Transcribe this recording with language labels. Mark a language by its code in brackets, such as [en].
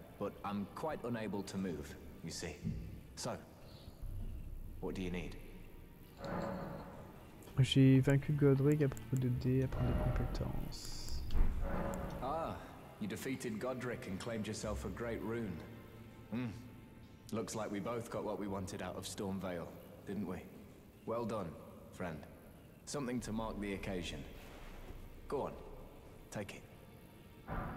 [en] but I'm quite unable to move, you see. So, what do you need? [fr] J'ai vaincu Godric à propos de dés, à propos de compétences. [en] Ah, you defeated Godric and claimed yourself a great rune. Hmm. Looks like we both got what we wanted out of Stormvale, didn't we? Well done, friend. Something to mark the occasion. Go on, take it.